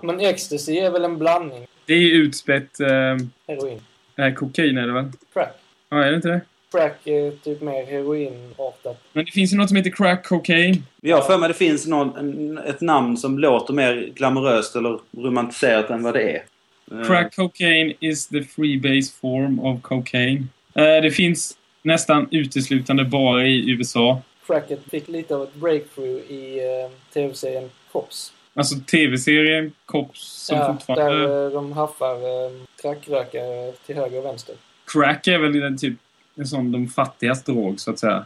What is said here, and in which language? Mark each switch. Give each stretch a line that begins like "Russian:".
Swedish: Men ecstasy är väl en blandning? Det är utspätt... heroin. Nej, kokain är det väl? Crack. Ja, är det inte det? Crack är typ mer heroin-artat. Men det finns ju något som heter crack cocaine. Ja, för mig det finns någon, ett namn som låter mer glamoröst eller romantiserat än vad det är.
English: Crack cocaine is the freebase form of cocaine.
Swedish: Det finns nästan uteslutande bara i USA. Cracket fick lite av ett breakthrough i tv-serien Cops. Alltså tv-serien Cops som ja, fortfarande... där de haffar crackrökare till höger och vänster. Crack är väl den typ en sån, de fattigaste drog så att säga.